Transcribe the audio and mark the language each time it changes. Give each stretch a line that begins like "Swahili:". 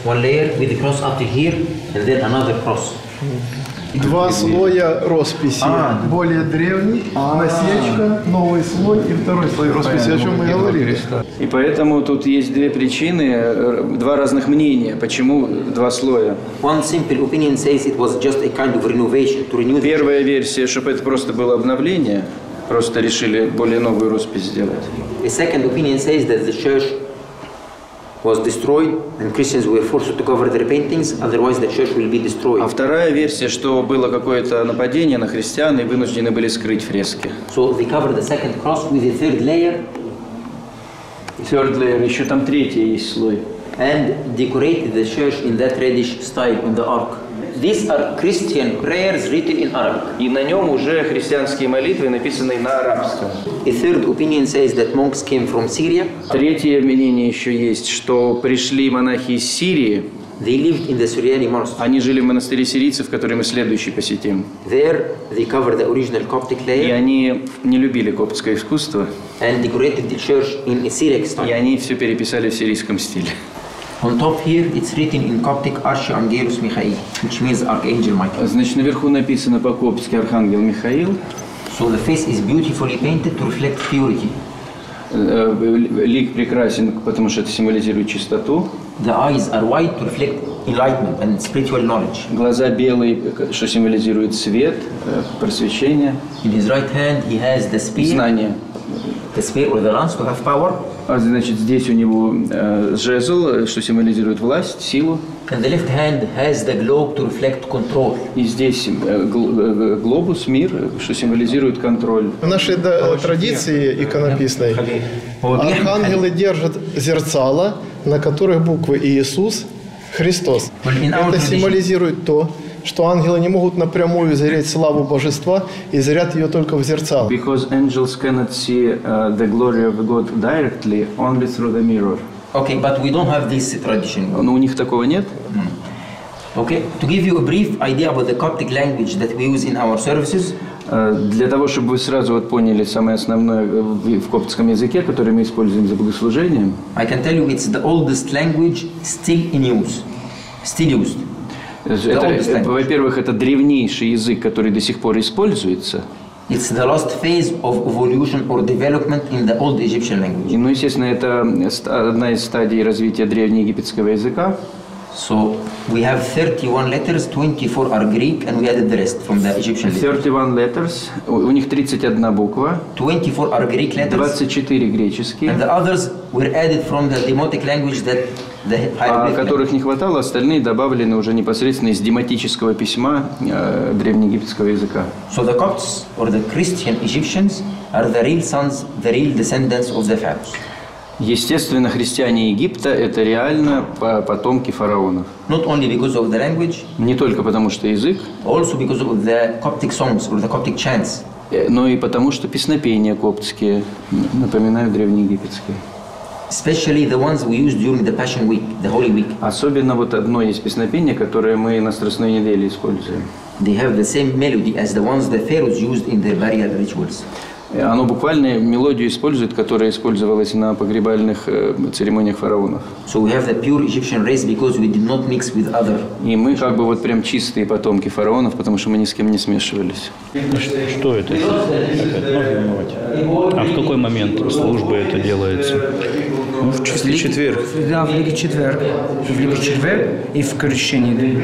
English: One layer with a cross up to here, and then another cross.
Russian: Два слоя росписи. Более древний, насечка, новый слой и второй слой росписи, о чем мы говорили. И поэтому тут есть две причины, два разных мнения, почему два слоя.
English: One simple opinion says it was just a kind of renovation to renew.
Russian: Первая версия, чтобы это просто было обновление, просто решили более новую роспись сделать.
English: A second opinion says that the church was destroyed and Christians were forced to cover their paintings, otherwise the church will be destroyed.
Russian: А вторая версия, что было какое-то нападение на христиан и вынуждены были скрыть фрески.
English: So they covered the second cross with a third layer. Third layer,
Russian: еще там третий есть слой.
English: And decorated the church in that reddish style in the ark. these are Christian prayers written in Arabic.
Russian: И на нем уже христианские молитвы, написанные на арабском.
English: A third opinion says that monks came from Syria.
Russian: Третье мнение еще есть, что пришли монахи из Сирии.
English: They lived in the Syrian monastery.
Russian: Они жили в монастыре сирийцев, который мы следующий посетим.
English: There they covered the original Coptic layer.
Russian: И они не любили коптское искусство.
English: And decorated the church in a Syriac style.
Russian: И они все переписали в сирийском стиле.
English: On top here it's written in Coptic Archangelus Michael, which means Archangel Michael.
Russian: Значит, наверху написано по-коптски Архангел Михаил.
English: So the face is beautifully painted to reflect purity.
Russian: Лик прекрасен, потому что это символизирует чистоту.
English: The eyes are white to reflect enlightenment and spiritual knowledge.
Russian: Глаза белые, что символизирует свет, просвещение.
English: In his right hand he has the spear.
Russian: Знание.
English: The spear or the lance to have power.
Russian: А значит, здесь у него жезл, что символизирует власть, силу.
English: And the left hand has the globe to reflect control.
Russian: И здесь глобус, мир, что символизирует контроль. В нашей традиции иконописной архангелы держат зерцало, на которых буквы Иисус, Христос. Это символизирует то, что ангелы не могут напрямую зреть славу Божества и зрят ее только в зеркало.
English: Because angels cannot see the glory of God directly, only through the mirror. Okay, but we don't have this tradition.
Russian: Но у них такого нет.
English: Okay, to give you a brief idea about the Coptic language that we use in our services.
Russian: Для того, чтобы вы сразу вот поняли самое основное в коптском языке, который мы используем за богослужением.
English: I can tell you it's the oldest language still in use, still used.
Russian: Во-первых, это древнейший язык, который до сих пор используется.
English: It's the last phase of evolution or development in the old Egyptian language.
Russian: Ну, естественно, это одна из стадий развития древнеегипетского языка.
English: So we have 31 letters, 24 are Greek, and we added the rest from the Egyptian letters. 31 letters,
Russian: у них 31 буква.
English: 24 are Greek letters.
Russian: 24 греческие.
English: And the others were added from the Demotic language that the hieroglyphic.
Russian: А которых не хватало, остальные добавлены уже непосредственно из демотического письма древнеегипетского языка.
English: So the Copts or the Christian Egyptians are the real sons, the real descendants of the Pharaohs.
Russian: Естественно, христиане Египта – это реально потомки фараонов.
English: Not only because of the language.
Russian: Не только потому, что язык.
English: Also because of the Coptic songs or the Coptic chants.
Russian: Но и потому, что песнопения коптские напоминают древнеегипетские.
English: Especially the ones we use during the Passion Week, the Holy Week.
Russian: Особенно вот одно есть песнопение, которое мы на Страстной неделе используем.
English: They have the same melody as the ones the pharaohs used in their burial rituals.
Russian: Оно буквально мелодию использует, которая использовалась на погребальных церемониях фараонов.
English: So we have the pure Egyptian race because we did not mix with other.
Russian: И мы как бы вот прям чистые потомки фараонов, потому что мы ни с кем не смешивались. Что это? А в какой момент службы это делается? Ну, в числе четверг. Да, в Великий Четверг. В Великий Четверг и в крещении.